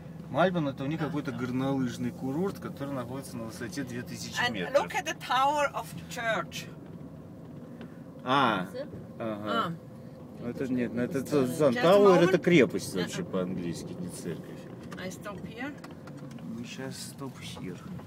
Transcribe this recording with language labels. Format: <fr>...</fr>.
<ru>Malbon, это у них какой-то горнолыжный курорт, который находится на высоте 2000 метров.</ru> <en>And look at the tower of the church.</en> <ru>А, ага. Это нет, это Sun Tower, это крепость вообще по-английски, не церковь.</ru> <en>I stop here.</en> <ru>Мы сейчас</ru> <en>stop here.</en>